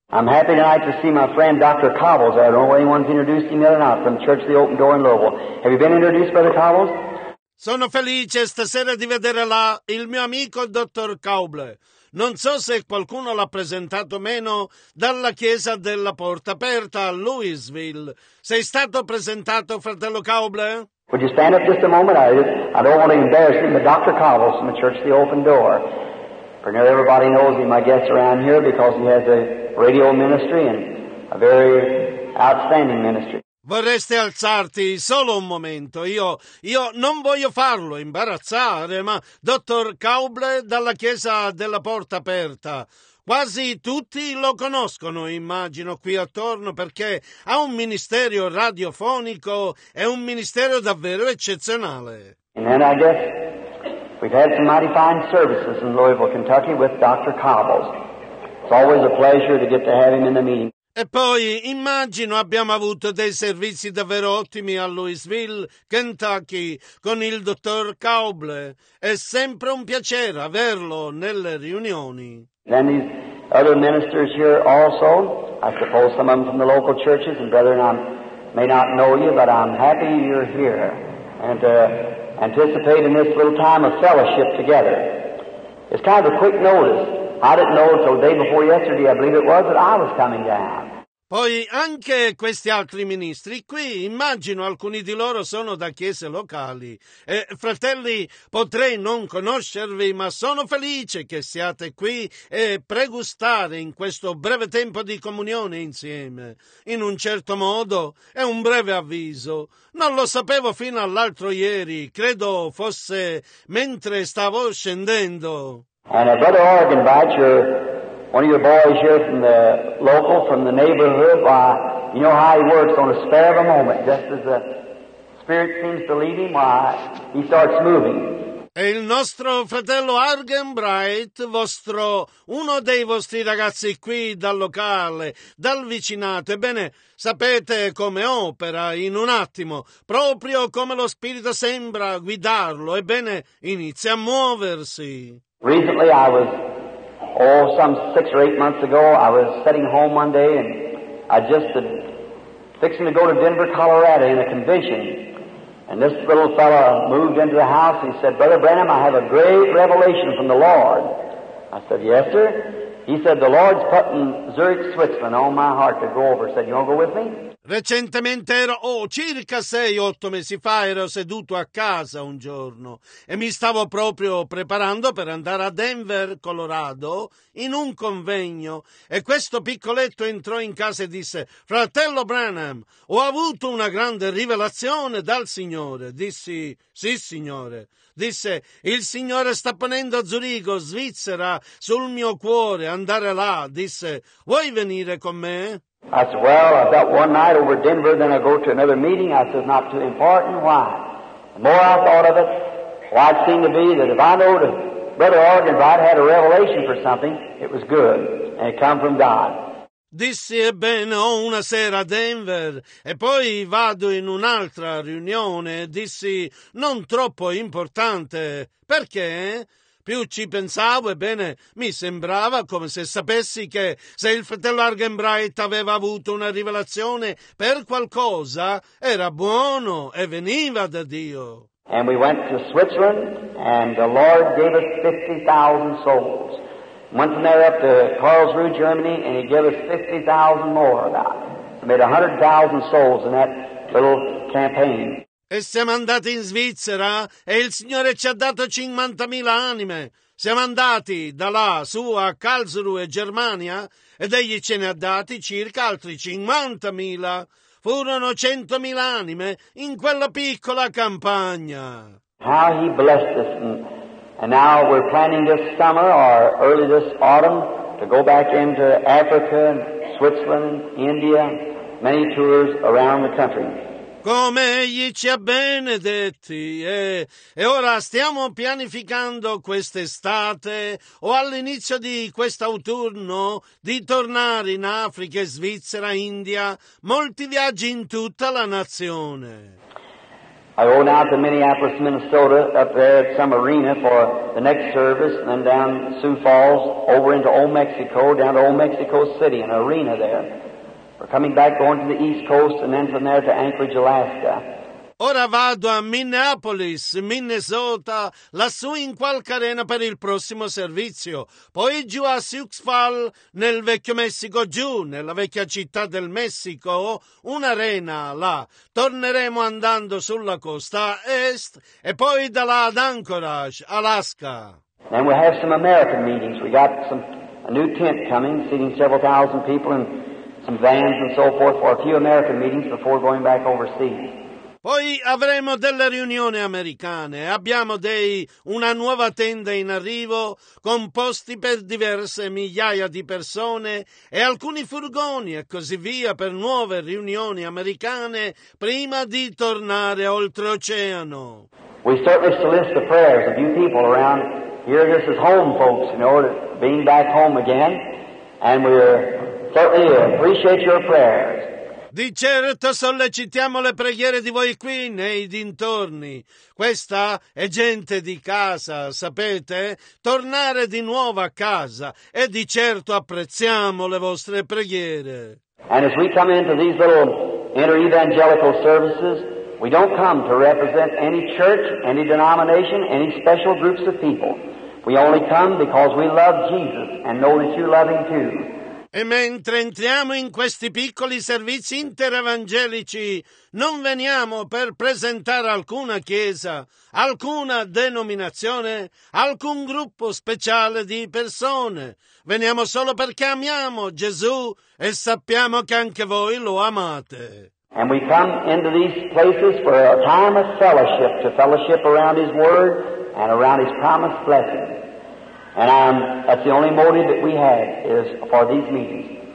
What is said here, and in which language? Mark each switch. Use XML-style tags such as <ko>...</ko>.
<en>I'm happy tonight to see my friend Dr. Cobbles. I don't know if anyone's introduced him yet or not from Church of the Open Door in Louisville. Have you been introduced, Brother Cobbles?</en> <it>Sono felice stasera di vedere là il mio amico Dr. Cobble. Non so se qualcuno l'ha presentato meno dalla Chiesa della Porta Aperta a Louisville. Sei stato presentato, fratello Cobble?</it> <en>Would you stand up just a moment? I don't want to embarrass him, but Dr. Cobbles from the Church of the Open Door. Pretty near everybody knows him, I guess, around here because he has a radio ministry and a very outstanding ministry.</en> <it>Vorresti alzarti solo un momento? Io non voglio farlo imbarazzare, ma Dottor Cobble dalla Chiesa della Porta Aperta. Quasi tutti lo conoscono, immagino, qui attorno, perché ha un ministero radiofonico, è un ministero davvero eccezionale.</it> <en>And then I guess we've had some mighty fine services in Louisville, Kentucky with Dr. Cobbles. It's always a pleasure to get to have him in the meeting.</en> <it>E poi, immagino, abbiamo avuto dei servizi davvero ottimi a Louisville, Kentucky, con il dottor Cobble. È sempre un piacere averlo nelle riunioni.</it> <en>Then these other ministers here also, I suppose some of them from the local churches, and brethren, I may not know you, but I'm happy you're here. And anticipate in this little time of fellowship together. It's kind of a quick notice. I didn't know until the day before yesterday, I believe it was, that I was coming down.</en> <it>Poi anche questi altri ministri qui, immagino alcuni di loro sono da chiese locali. Fratelli, potrei non conoscervi, ma sono felice che siate qui e pregustare in questo breve tempo di comunione insieme. In un certo modo è un breve avviso. Non lo sapevo fino all'altro ieri, credo fosse mentre stavo scendendo.</it> <en>And a brother Org invites you. One of your boys here from the local, from the neighborhood, why, you know how he works on a spare of a moment, just as the Spirit seems to lead him, why, he starts moving.</en> <it>E il nostro fratello Argenbright, vostro, uno dei vostri ragazzi qui dal locale, dal vicinato, ebbene, sapete come opera in un attimo, proprio come lo Spirito sembra guidarlo, ebbene, inizia a muoversi.</it> <en>Recently I was... Oh, some 6 or 8 months ago, I was sitting home one day, and I just had fixing to go to Denver, Colorado, in a convention. And this little fellow moved into the house, and he said, Brother Branham, I have a great revelation from the Lord. I said, yes, sir. He said, the Lord's putting Zurich, Switzerland on my heart to go over. I said, you want to go with me?</en> <it>Recentemente ero, circa 6-8 mesi fa, ero seduto a casa un giorno e mi stavo proprio preparando per andare a Denver, Colorado, in un convegno e questo piccoletto entrò in casa e disse, Fratello Branham, ho avuto una grande rivelazione dal Signore. Dissi, sì, Signore. Disse, il Signore sta ponendo a Zurigo, Svizzera, sul mio cuore, andare là. Disse, vuoi venire con me?</it> <en>I said, well, I've got one night over Denver, then I go to another meeting. I said, not too important. Why? The more I thought of it, why it seemed to be that if I know that Brother Ogden, if I'd had a revelation for something, it was good, and it come from God.</en> <it>Dissi, ebbene, ho una sera a Denver e poi vado in un'altra riunione. Dissi, non troppo importante. Perché? Più ci pensavo, ebbene, mi sembrava come se sapessi che se il fratello Argenbright aveva avuto una rivelazione per qualcosa, era buono e veniva da Dio.</it> <en>And we went to Switzerland and the Lord gave us 50,000 souls. Went from there up to Karlsruhe, Germany, and he gave us 50,000 more. We made 100,000 souls in that little campaign.</en> <it>E siamo andati in Svizzera e il Signore ci ha dato 50,000 anime. Siamo andati da là, su a Karlsruhe, Germania, ed egli ce ne ha dati circa altri 50,000. Furono 100,000 anime in quella piccola campagna.</it> <en>How he blessed us. And now we're planning this summer or early this autumn to go back into Africa, Switzerland, India, many tours around the country.</en> <it>Come egli ci ha benedetti e ora stiamo pianificando quest'estate o all'inizio di quest'autunno di tornare in Africa, Svizzera, India, molti viaggi in tutta la nazione.</it> <en>I go now to Minneapolis, Minnesota, up there at some arena for the next service, and then down Sioux Falls, over into Old Mexico, down to Old Mexico City, an arena there. We're coming back, going to the East Coast, and then from there to Anchorage, Alaska.</en> <it>Ora vado a Minneapolis, Minnesota, lassù in qualche arena per il prossimo servizio. Poi giù a Sioux Falls, nel vecchio Messico, giù, nella vecchia città del Messico, un'arena là. Torneremo andando sulla costa est, e poi da là ad Anchorage, Alaska.</it> <en>And we have some American meetings. We got a new tent coming, seating several thousand people and some vans and so forth for a few American meetings before going back overseas.</en> <it>Poi avremo delle riunioni americane, abbiamo una nuova tenda in arrivo, con posti per diverse migliaia di persone e alcuni furgoni e così via per nuove riunioni americane prima di tornare oltreoceano.</it> <en>We certainly solicit the prayers of you people around here. This is home, folks, you know, being back home again, and we certainly appreciate your prayers.</en> <it>Di certo sollecitiamo le preghiere di voi qui nei dintorni. Questa è gente di casa, sapete? Tornare di nuovo a casa e di certo apprezziamo le vostre preghiere.</it> <en>And as we come into these little inter-evangelical services, we don't come to represent any church, any denomination, any special groups of people. We only come because we love Jesus and know that you love him too.</en> <it>E mentre entriamo in questi piccoli servizi interevangelici, non veniamo per presentare alcuna chiesa, alcuna denominazione, alcun gruppo speciale di persone. Veniamo solo perché amiamo Gesù e sappiamo che anche voi lo amate.</it> <en>And we come into these places for a time of fellowship, to fellowship around his word and around his promised blessing. And that's the only motive that we have is for these meetings.</en>